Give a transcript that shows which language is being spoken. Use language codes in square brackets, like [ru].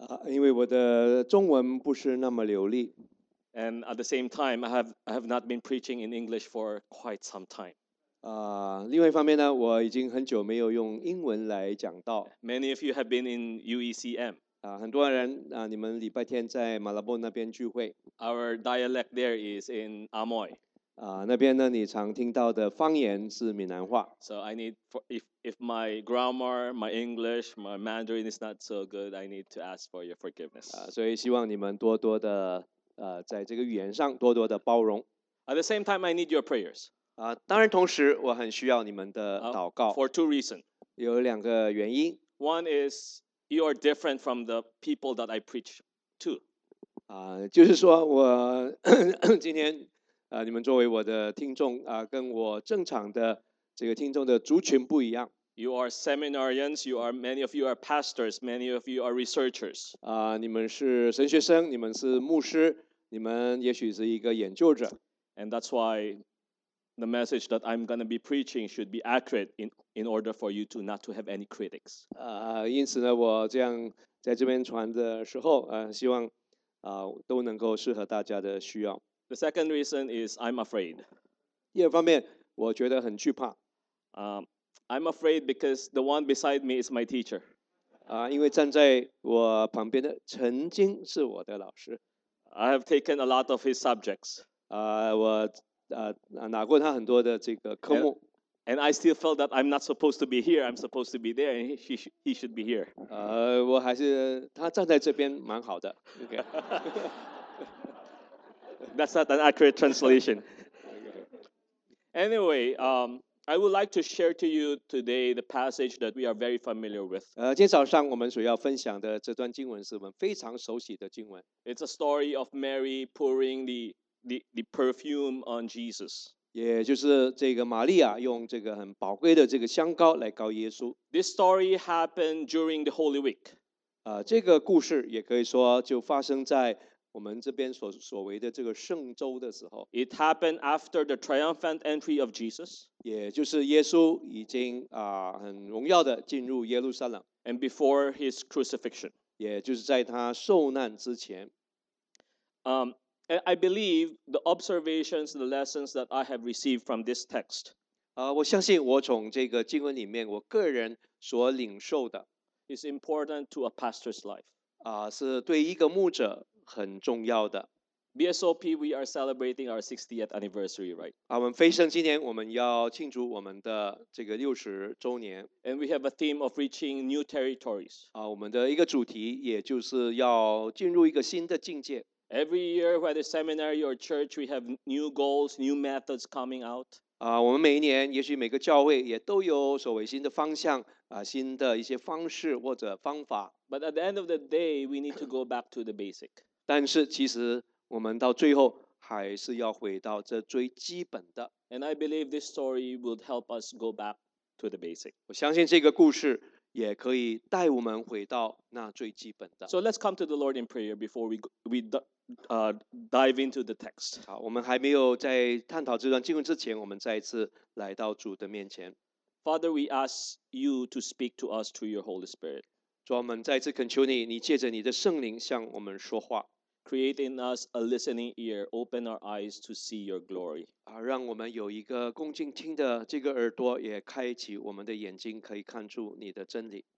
[zh] 因为我的中文不是那么流利。 [en] And at the same time, I have not been preaching in English for quite some time. [zh] 另外一方面呢，我已经很久没有用英文来讲道。 [en] Many of you have been in UECM. [zh] 很多人你们礼拜天在马拉波那边聚会。 [en] Our dialect there is in Amoy. [zh] 那边呢，你常听到的方言是闽南话。 [en] So I need if my grammar, my English, my Mandarin is not so good, I need to ask for your forgiveness. [zh] 所以希望你们多多的在这个语言上多多的包容。 [en] At the same time, I need your prayers. [zh] 当然同时我很需要你们的祷告。 [en] For two reasons. [zh] 有两个原因。 [en] One is you are different from the people that I preach to. [zh] 就是说我今天你们作为我的听众跟我正常的这个听众的族群不一样。 [en] You are seminarians, many of you are pastors, many of you are researchers. [zh] 你们是神学生，你们是牧师，你们也许是一个研究者。 [en] And that's why the message that I'm going to be preaching should be accurate in order for you to not to have any critics. [zh] 因此呢，我这样在这边传的时候希望都能够适合大家的需要。 [en] The second reason is I'm afraid. [zh] 第二方面，我觉得很惧怕。 [en] I'm afraid because the one beside me is my teacher. [zh] 因为站在我旁边的曾经是我的老师。 [en] I have taken a lot of his subjects. [zh] 我拿过他很多的这个科目。 [en] And I still felt that I'm not supposed to be here. I'm supposed to be there, and he should be here. [zh] 我还是他站在这边蛮好的。 [en] Okay. That's not an accurate translation. Anyway, I would like to share to you today the passage that we are very familiar with. [zh] 今天早上我们所要分享的这段经文是我们非常熟悉的经文。 [en] It's a story of Mary pouring the perfume on Jesus. [zh] 也就是这个玛利亚用这个很宝贵的这个香膏来膏耶稣。 [en] This story happened during the Holy Week. [zh] 这个故事也可以说就发生在我们这边所谓的这个圣周的时候。 [en] It happened after the triumphant entry of Jesus. [zh] 也就是耶稣已经很荣耀的进入耶路撒冷。 [en] And before his crucifixion. [zh] 也就是在他受难之前。 [en] I believe the observations, the lessons that I have received from this text. [zh] 我相信我从这个经文里面我个人所领受的。 [en] Is important to a pastor's life. [zh] 是对一个牧者很重要的。 [en] BSOP, we are celebrating our 60th anniversary, right? [zh] 我们飞升今年我们要庆祝我们的这个60周年。 [en] And we have a theme of reaching new territories. [zh] 我们的一个主题也就是要进入一个新的境界。 [en] Every year, whether seminary or church, we have new goals, new methods coming out. [zh] 我们每一年也许每个教会也都有所谓新的方向新的一些方式或者方法。 [en] But at the end of the day, we need to go back to the basic. [zh] 但是其实我们到最后还是要回到这最基本的。 [en] And I believe this story would help us go back to the basic. [zh] 我相信这个故事也可以带我们回到那最基本的。 [en] So let's come to the Lord in prayer before we dive into the text. [zh] 好，我们还没有在探讨这段经文之前，我们再一次来到主的面前。 [en] Father, we ask you to speak to us through your Holy Spirit. [zh] 主啊，我们再次恳求你，你借着你的圣灵向我们说话。 [en] Create in us a listening ear, open our eyes to see your glory. [zh] 让我们有一个恭敬听的这个耳朵，也开启我们的眼睛，可以看出你的真理。